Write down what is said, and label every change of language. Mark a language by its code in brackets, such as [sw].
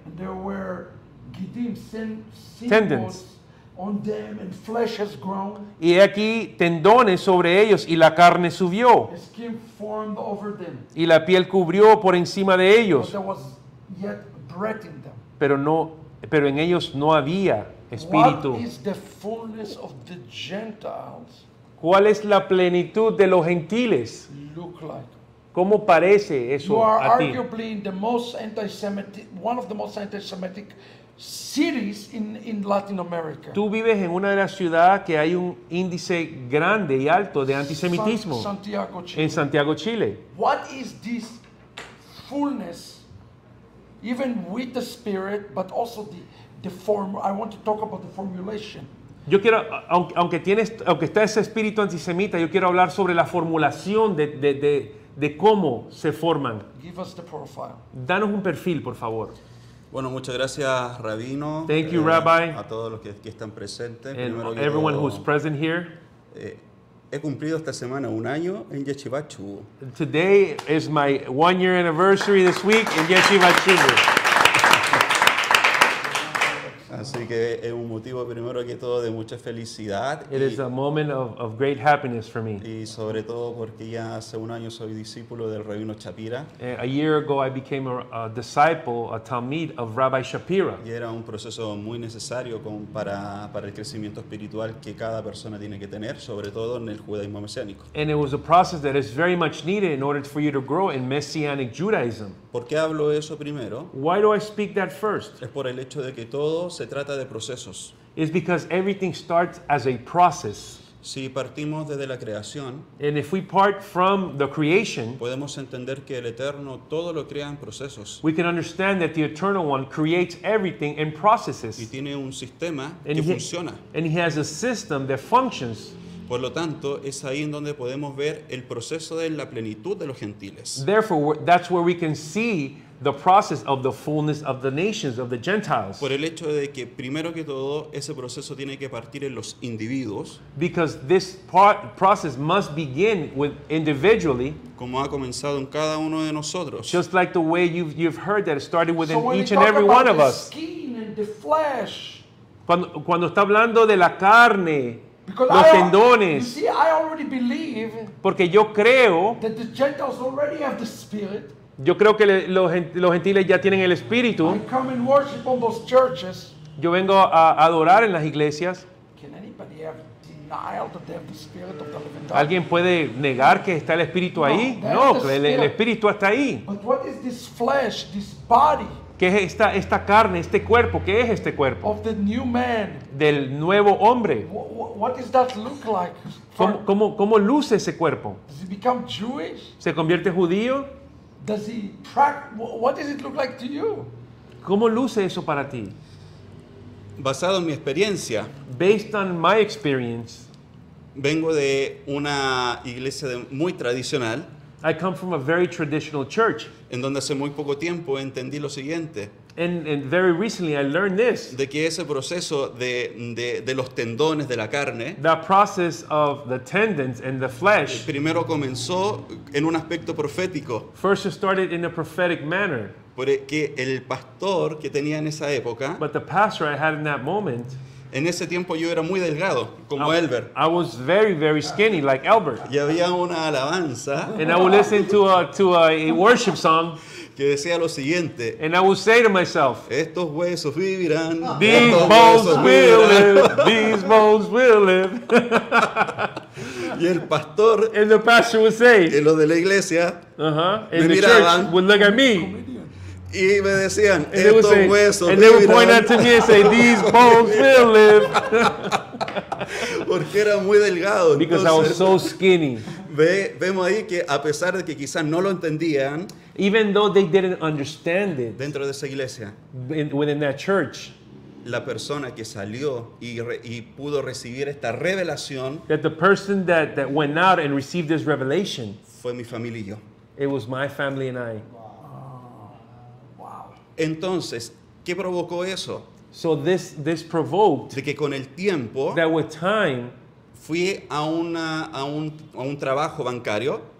[en] And there were Gidim symbols on them, and flesh has grown. [es] Y he aquí tendones sobre ellos, y la carne subió. [en] The skin formed over them. [es] Y la piel cubrió por encima de ellos. [en] But there was yet breath in them. [es] Pero en ellos no había espíritu. [en] What is the fullness of the Gentiles? [es] ¿Cuál es la plenitud de los gentiles? [en] Look like. [es] ¿Cómo parece eso a ti? [en] You are arguably in the most anti-Semitic, one of the most anti-Semitic cities in Latin America. [es] Tú vives en una de las ciudades que hay un índice grande y alto de antisemitismo. [en] Santiago, Chile. [es] En Santiago, Chile. [en] What is this fullness, even with the spirit, but also the form? I want to talk about the formulation. [es] Yo quiero, aunque está ese espíritu antisemita, yo quiero hablar sobre la formulación de cómo se forman. [en] Give us the profile. [es] Danos un perfil, por favor. Bueno, muchas gracias, Rabino. [en] Thank you, Rabbi. [es] A todos los que aquí están presentes. [en] And everyone who's present here. [es] He cumplido esta semana un año en Yeshiva Chubu. [en] Today is my 1 year anniversary this week in Yeshiva Chubu. [es] Así que es un motivo primero que todo de mucha felicidad. [en] It is a moment of great happiness for me. [es] Y sobre todo porque ya hace un año soy discípulo del Rabino Shapira. [en] A year ago I became a disciple, a talmid of Rabbi Shapira. [es] Y era un proceso muy necesario para el crecimiento espiritual que cada persona tiene que tener, sobre todo en el judaísmo mesiánico. [en] And it was a process that is very much needed in order for you to grow in messianic Judaism. [es] ¿Por qué hablo eso primero? [en] Why do I speak that first? [es] Es por el hecho de que todo se trata de procesos. [en] It's because everything starts as a process. [es] Si partimos desde la creación, [en] and if we part from the creation, [es] podemos entender que el Eterno todo lo crea en procesos. [en] We can understand that the Eternal One creates everything in processes. [es] Y tiene un sistema and que funciona. [en] And he has a system that functions. [es] Por lo tanto, es ahí en donde podemos ver el proceso de la plenitud de los gentiles. [en] Therefore, that's where we can see the process of the fullness of the nations, of the Gentiles. [es] Por el hecho de que, primero que todo, ese proceso tiene que partir en los individuos. [en] Because this process must begin with individually. [es] Como ha comenzado en cada uno de nosotros. [en] Just like the way you've heard that it started within so each and every one of us. So when you talk about the skin and the flesh. [es] Cuando está hablando de la carne. [en] Because [es] los tendones. [en] You see, I already believe. [es] Porque yo creo. [en] That the Gentiles already have the spirit. [es] Yo creo que los gentiles ya tienen el espíritu. [en] I come and worship on those churches. [es] Yo vengo a adorar en las iglesias. [en] Can anybody have denial that they have the spirit of the living God? [es] ¿Alguien puede negar que está el espíritu ahí? No, el espíritu está ahí. [en] But what is this flesh, this body? [es] ¿Qué es esta carne, este cuerpo? ¿Qué es este cuerpo? [en] Of the new man. [es] Del nuevo hombre. [en] What does that look like? [es] ¿Cómo luce ese cuerpo? [en] Does he become Jewish? [es] ¿Se convierte judío? [en] Does he practice? What does it look like to you? [es] ¿Cómo luce eso para ti? Basado en mi experiencia. [en] Based on my experience. [es] Vengo de una iglesia muy tradicional. [en] I come from a very traditional church. [es] En donde hace muy poco tiempo entendí lo siguiente. [en] And very recently I learned this. [es] De que ese proceso de los tendones de la carne. [en] The process of the tendons and the flesh. [es] Primero comenzó en un aspecto profético. [en] First it started in a prophetic manner. [es] Porque el pastor que tenía en esa época. [en] But the pastor I had in that moment. [es] En ese tiempo yo era muy delgado, como Elbert. [en] I was very, very skinny, like Elbert. [es] Y había una alabanza. [en] And I would listen to a worship song. [es] Que decía lo siguiente. [en] And I would say to myself. [es] Estos huesos vivirán. [en] These bones will live. These bones will live. [es] Y el pastor. [en] And the pastor would say. [es] Y los de la iglesia. Uh-huh. Me miraban. [en] And the church would look at me. [es] Y me decían, estos huesos. [en] And they would point out to me and say, these bones will live. [es] Porque era muy delgado. [en] Because [es] entonces, [en] I was so skinny. [es] Vemos ahí que a pesar de que quizás no lo entendían. [en] Even though they didn't understand it. [es] Dentro de esa iglesia. [en] Within that church. [es] la persona que salió y pudo recibir esta revelación. [en] That the person that went out and received this revelation. [es] Fue mi familia y yo. [en] It was my family and I. [es] Wow. Entonces, ¿qué provocó eso? [en] So this provoked. [es] De que con el tiempo. [en] That with time. [es] Fui a un trabajo bancario.